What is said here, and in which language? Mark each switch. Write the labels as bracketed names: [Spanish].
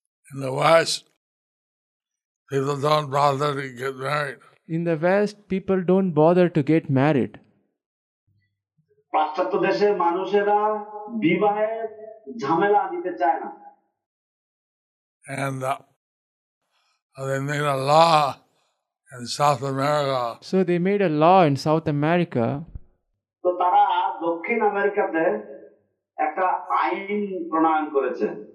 [English] In the West, people don't bother to get married. In the West, people don't bother to get married. [Bangla] পাশ্চাত্য দেশে মানুষেরা বিবাহের ঝামেলা নিতে চায় না। [English] And they made a law in South America. So they made a law in South America. [Bangla] তো তারা দক্ষিণ আমেরিকাতে একটা আইন প্রণয়ন করেছে।